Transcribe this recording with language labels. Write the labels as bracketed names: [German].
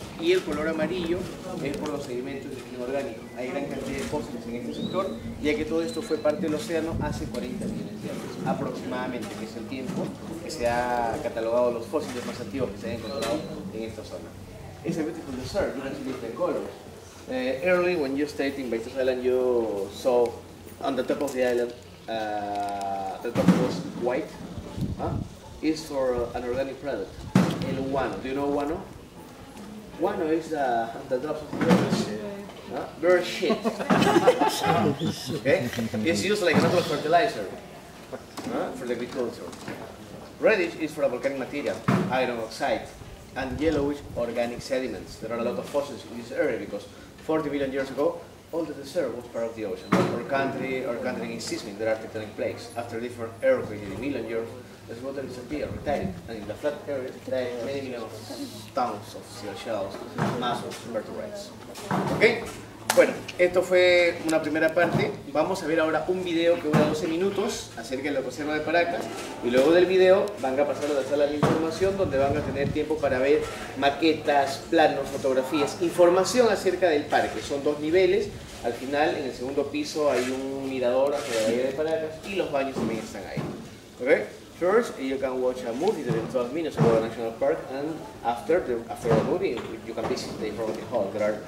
[Spanish] Y el color amarillo es por los sedimentos del inorgánico. Hay gran cantidad de fósiles en este sector, ya que todo esto fue parte del océano hace 40 millones de años, aproximadamente, que es el tiempo que se ha catalogado los fósiles más antiguos que se han encontrado en esta zona. Es el [English] beautiful desert, [Spanish] una silueta de colores. [English] Early, when you stayed in Baitos Island, you saw on the top of the island, the top was white. It's for an organic product, el guano. Do you know guano? Guano is the drops of bird shit. Bird shit. Okay? It's used like natural fertilizer for the agriculture. Reddish is for a volcanic material, iron oxide. And yellowish organic sediments. There are a lot of fossils in this area because 40 million years ago, all the desert was part of the ocean. Our country is seismic, there are tectonic plates. After different earthquakes in a million years, this water disappeared, retired. And in the flat area, there are many millions of tons of seashells, mussels, vertebrates. [Spanish] Okay? Bueno, esto fue una primera parte. Vamos a ver ahora un video que dura 12 minutos acerca del ecosistema de Paracas. Y luego del video van a pasar a la sala de información donde van a tener tiempo para ver maquetas, planos, fotografías, información acerca del parque. Son dos niveles. Al final, en el segundo piso, hay un mirador hacia la bahía de Paracas y los baños también están ahí. ¿Ok? [English] First, you can watch a movie during 12 minutes about the National Park, and after the movie, you can visit the informative hall. There are